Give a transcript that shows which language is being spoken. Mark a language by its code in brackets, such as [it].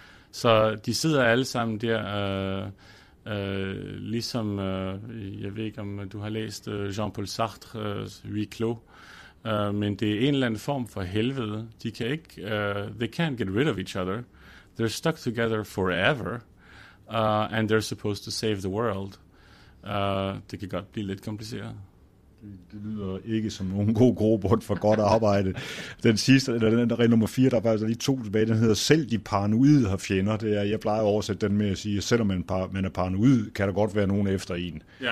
[da] Så de sidder alle sammen der. Ligesom jeg ved ikke om du har læst Jean-Paul Sartre's Huis Clos, men det er en eller anden form for helvede. De kan ikke [en] they can't get rid of each other, they're stuck together forever, and they're supposed to save the world. [da] Det kan godt blive lidt kompliceret. Det lyder ikke som nogen god grobund for godt arbejde. Den sidste, eller den der regel nummer 4, der er faktisk lige 2 tilbage, den hedder, selv de paranoide har fjender. Det er, jeg plejer at oversætte den med at sige, at selvom man er paranoid, kan der godt være nogen efter en.